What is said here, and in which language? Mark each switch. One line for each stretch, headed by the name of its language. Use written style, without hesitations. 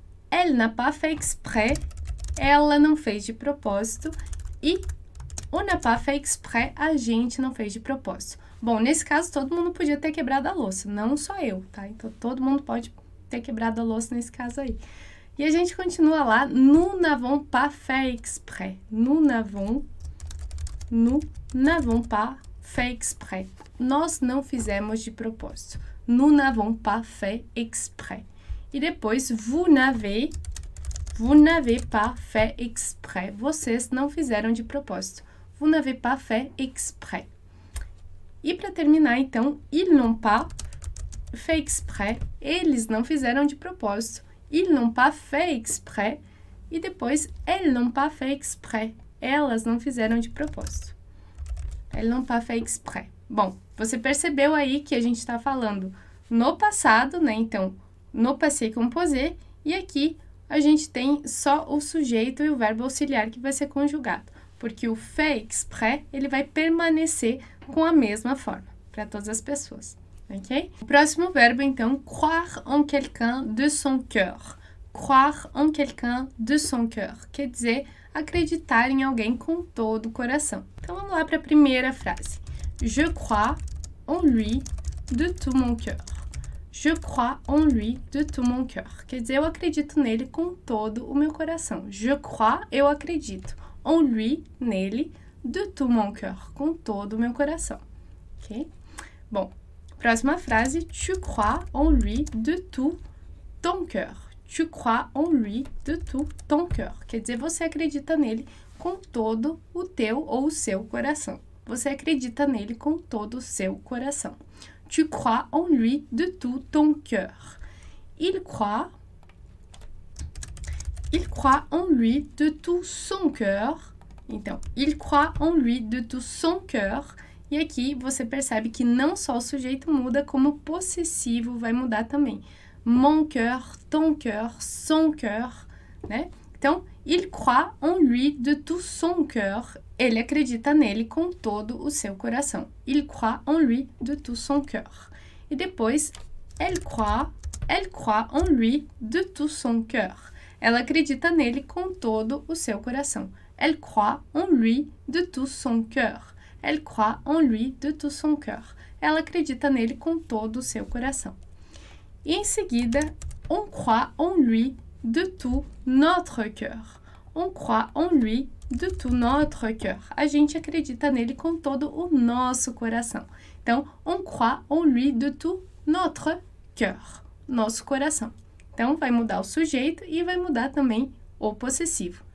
French: Elle n'a pas fait exprès.
Portuguese: Ela não fez de propósito. E
French: on n'a pas fait exprès.
Portuguese: A gente não fez de propósito. Bom, nesse caso, todo mundo podia ter quebrado a louça. Não só eu, tá? Então, todo mundo pode ter quebrado a louça nesse caso aí. E a gente continua lá.
French: Nous n'avons pas fait exprès. Nous n'avons pas fait exprès.
Portuguese: Nós não fizemos de propósito.
French: Nous n'avons pas fait exprès.
Portuguese: E depois,
French: vous n'avez pas fait exprès.
Portuguese: Vocês não fizeram de propósito.
French: Vous n'avez pas fait exprès.
Portuguese: E para terminar, então,
French: ils n'ont pas fait exprès.
Portuguese: Eles não fizeram de propósito.
French: Ils n'ont pas fait exprès.
Portuguese: E depois,
French: elles n'ont pas fait exprès.
Portuguese: Elas não fizeram de propósito.
French: Elles n'ont pas fait exprès.
Portuguese: Bom, você percebeu aí que a gente está falando no passado, né? Então, no passé composé. E aqui, a gente tem só o sujeito e o verbo auxiliar que vai ser conjugado. Porque o fait exprès, ele vai permanecer com a mesma forma para todas as pessoas. Ok? O próximo verbo, então,
French: croire en quelqu'un de son cœur. Croire en quelqu'un de son cœur.
Portuguese: Quer dizer, acreditar em alguém com todo o coração. Então, vamos lá para a primeira frase.
French: Je crois en lui de tout mon cœur. Je crois en lui de tout mon cœur.
Portuguese: Quer dizer, eu acredito nele com todo o meu coração.
French: Je crois,
Portuguese: eu acredito.
French: En lui,
Portuguese: nele,
French: de tout mon cœur.
Portuguese: Com todo o meu coração. Ok? Bom, próxima frase.
French: Tu crois en lui de tout ton cœur. Tu crois en lui de tout ton cœur.
Portuguese: Quer dizer, você acredita nele com todo o teu ou o seu coração. Você acredita nele com todo o seu coração.
French: Tu crois en lui de tout ton cœur. Il croit en lui de tout son cœur.
Portuguese: Então,
French: il croit en lui de tout son cœur.
Portuguese: E aqui você percebe que não só o sujeito muda, como o possessivo vai mudar também.
French: Mon cœur, ton cœur, son cœur, né? Então, il croit en lui de tout son cœur.
Portuguese: Ele acredita nele com todo o seu coração.
French: Il croit en lui de tout son cœur.
Portuguese: E depois,
French: elle croit en lui de tout son cœur.
Portuguese: Ela acredita nele com todo o seu coração.
French: Elle croit en lui de tout son cœur. Elle croit en lui de tout son cœur.
Portuguese: Ela acredita nele com todo o seu coração. E em seguida,
French: on croit en lui de tout notre cœur. On croit en lui de tout notre cœur.
Portuguese: A gente acredita nele com todo o nosso coração. Então,
French: on croit en lui de tout notre cœur.
Portuguese: Nosso coração. Então, vai mudar o sujeito e vai mudar também o possessivo.